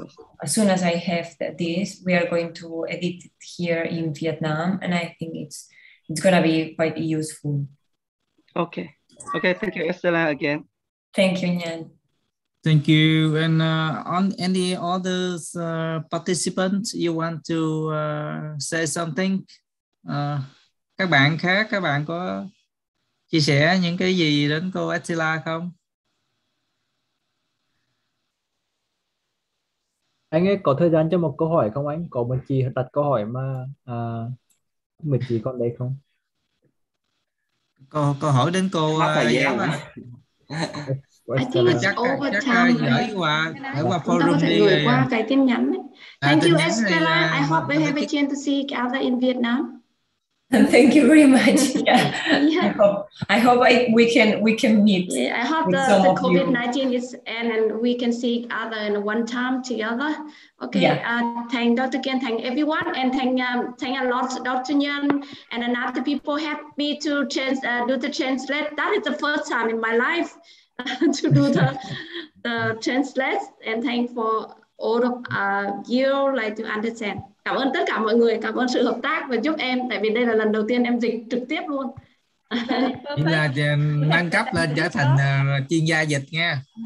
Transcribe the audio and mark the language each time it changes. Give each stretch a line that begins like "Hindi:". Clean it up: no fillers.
English: So as soon as I have this, we are going to edit it here in Vietnam, and I think it's gonna be quite useful. Okay. Thank you, Estella, again. Thank you, Nhan. Thank you. And on any other participants, you want to say something?
Vietnamese: Các bạn khác, các bạn có chia sẻ những cái gì đến cô Estella không? Anh ấy có thời gian cho một câu hỏi không anh? Có một chị đặt câu hỏi mà mình chị còn đây không? Câu hỏi đến cô
English: Giáo. I think it's over time.
Vietnamese: Hãy qua forum đi. Gửi qua cái tin nhắn.
English: Thank you, Estella. I hope we have a chance to see each other in Vietnam. Thank you very much. I hope we can meet. Yeah, I hope the COVID-19 is end and we can see each other in one time together. Okay. Yeah. Thank Dr. Kien, thank everyone, and thank a lot Dr. Nhân and another people happy to translate. That is the first time in my life to do the translate, and thank for all of you like to understand.
Vietnamese: Cảm ơn tất cả mọi người, cảm ơn sự hợp tác và giúp em, tại vì đây là lần đầu tiên em dịch trực tiếp luôn. Là nâng cấp lên trở thành chuyên gia dịch nha.